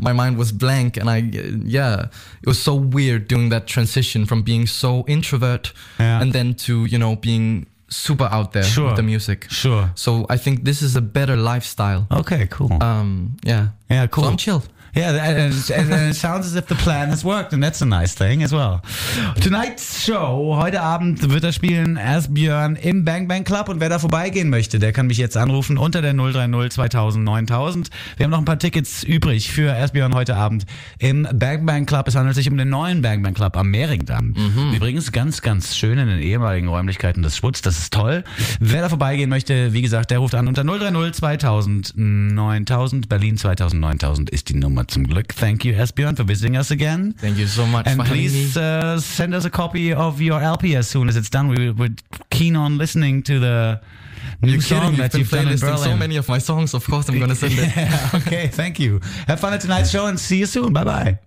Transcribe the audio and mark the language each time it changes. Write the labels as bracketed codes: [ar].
[en] My mind was blank, and it was so weird doing that transition from being so introvert and then to, you know, being super out there with the music. Sure. So I think this is a better lifestyle. Okay, cool. Yeah, cool. So I'm chill. Yeah, and it sounds as if the plan has worked, and that's a nice thing as well. Tonight's show, [de] heute Abend wird er spielen, Asbjørn im Bang Bang Club. Und wer da vorbeigehen möchte, der kann mich jetzt anrufen unter der 030 2000 9000. Wir haben noch ein paar Tickets übrig für Asbjørn heute Abend im Bang Bang Club. Es handelt sich um den neuen Bang Bang Club am Mehringdamm. Mhm. Übrigens ganz, ganz schön in den ehemaligen Räumlichkeiten des Schwutz. Das ist toll. Wer da vorbeigehen möchte, wie gesagt, der ruft an unter 030 2000 9000. Berlin 2000 9000 ist die Nummer. Zum Glück. [en] Thank you, Asbjørn, for visiting us again. Thank you so much. And please send us a copy of your LP as soon as it's done. We're keen on listening to the new song that you've done in Berlin. So many of my songs, of course, I'm going to send it. Okay, thank you. Have fun at tonight's show and see you soon. Bye-bye.